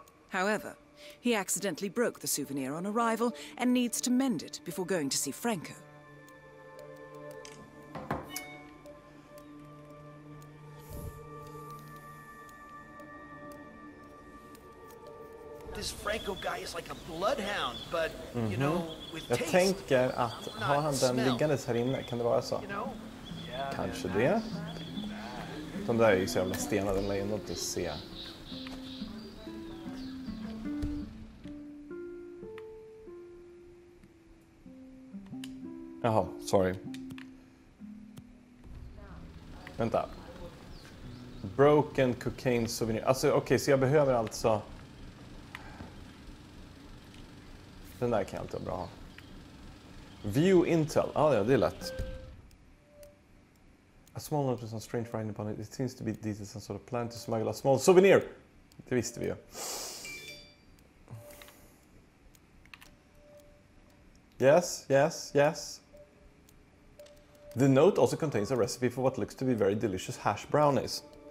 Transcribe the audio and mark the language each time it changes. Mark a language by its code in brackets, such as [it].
[en] However, he accidentally broke the souvenir on arrival and needs to mend it before going to see Franco. This Franco guy is like a bloodhound, but, you know, with taste. [sv] Jag tänker att har han den liggandes här inne, kan det vara så? Kanske det. De där är ju så jävla stenade, men jag vill inte se. Jaha, sorry. Vänta. [en] Broken cocaine souvenir. [sv] Alltså okej, så jag behöver alltså... Den där kan jag inte vara bra. View Intel. Ah, ja, det är lätt. [en] A small note with some strange writing upon it. It seems to be this is some sort of plan to smuggle a small souvenir. [sv] Det visste vi ju. [en] Yes, yes, yes. The note also contains a recipe for what looks to be very delicious hash brownies.